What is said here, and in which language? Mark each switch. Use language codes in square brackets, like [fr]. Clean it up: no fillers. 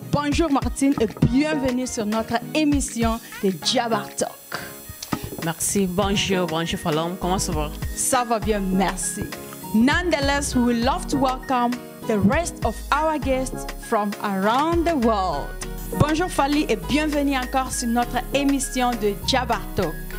[fr] Bonjour Martine et bienvenue sur notre émission de Jabar Talk. Merci, bonjour, bonjour Falon, comment ça va? Ça va bien, merci. [en] Nonetheless, we would love to welcome the rest of our guests from around the world. [fr] Bonjour Fali et bienvenue encore sur notre émission de Jabar Talk.